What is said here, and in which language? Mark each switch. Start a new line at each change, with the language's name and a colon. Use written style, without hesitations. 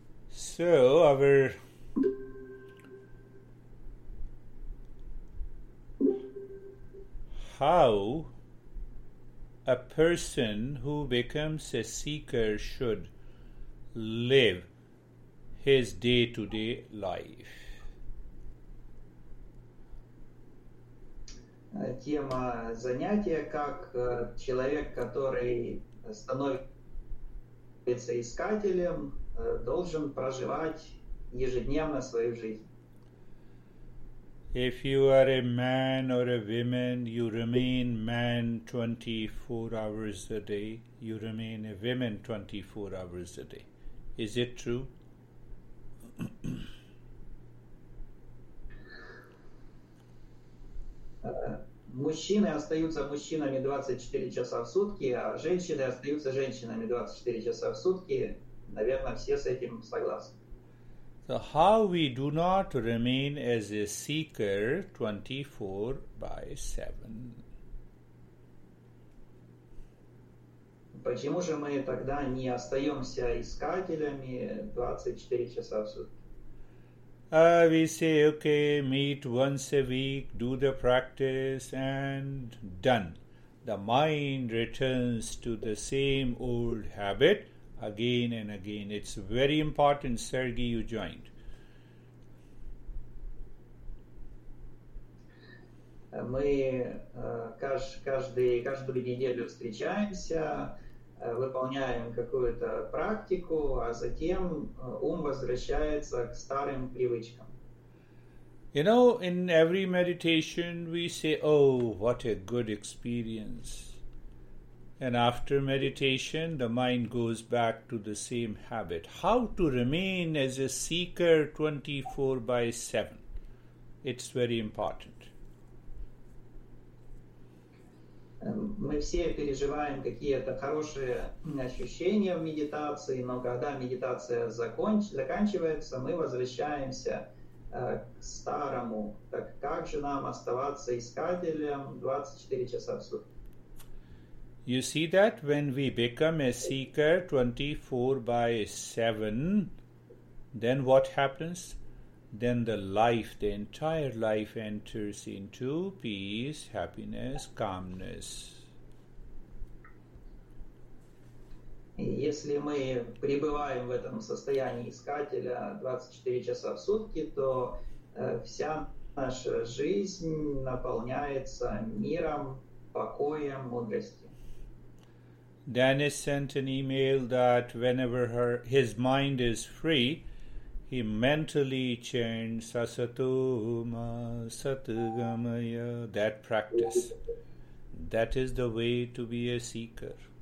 English: So, our how a person who becomes a seeker should live his day-to-day life.
Russian: Тема занятия, как человек, который становится искателем, должен проживать ежедневно свою жизнь.
English: If you are a man or a woman, you remain man 24 hours a day, you remain a woman 24 hours a day. Is it true?
Russian: Мужчины остаются мужчинами 24 часа в сутки, а женщины остаются женщинами 24 часа в сутки. Наверное, все с этим согласны.
English: So how we do not remain as a seeker 24/7?
Russian: Почему же мы тогда не остаемся искателями 24 часа в сутки?
English: We say, okay, meet once a week, do the practice, and done. The mind returns to the same old habit again and again. It's very important, Sergey, you joined.
Russian: Каждую неделю встречаемся, выполняем какую-то практику, а затем ум возвращается к старым привычкам.
English: You know, in every meditation we say, oh, what a good experience. And after meditation, the mind goes back to the same habit. How to remain as a seeker 24/7? It's very important.
Russian: Мы все переживаем какие-то хорошие ощущения в медитации, но когда медитация заканчивается, мы возвращаемся к старому. Так как же нам оставаться искателем 24 часа в сутки?
English: You see that when we become a seeker 24/7, then what happens? Then the life, the entire life enters into peace, happiness, calmness.
Russian: Если мы пребываем в этом состоянии искателя 24 часа в сутки, то вся наша жизнь наполняется миром, покоем, мудростью.
English: Dennis sent an email that whenever his mind is free, he mentally chants Asatoma Satgamaya, that practice. That is the way to be a seeker.